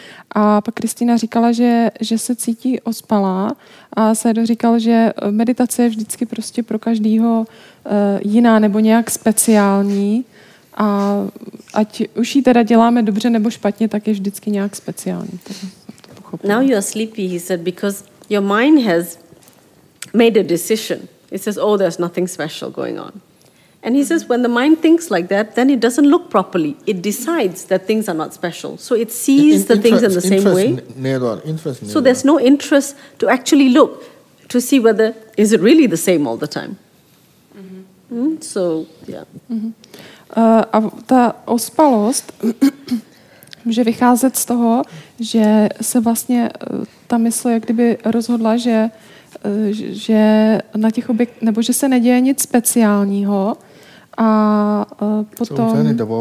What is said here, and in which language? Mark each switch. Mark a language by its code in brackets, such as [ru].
[cs] A pak Kristýna říkala, že se cítí ospalá a Sédo říkal, že meditace je vždycky prostě pro každýho jiná nebo nějak speciální a ať už ji teda děláme dobře nebo špatně, tak je vždycky nějak speciální. [en] Now you are sleepy, he said, because your mind has made a decision. It says, oh, there's nothing special going on. And he says, when the mind thinks like that, then it doesn't look properly. It decides that things are not special. So it sees the interest, things in the same way. So there's no interest to actually look to see whether, is it really the same all the time? Mm-hmm. Mm? So, yeah. Mm-hmm. [cs] A ta ospalost může vycházet z toho, že se vlastně ta mysl jak kdyby rozhodla, že na těch objekt, nebo že se neděje nic speciálního a potom...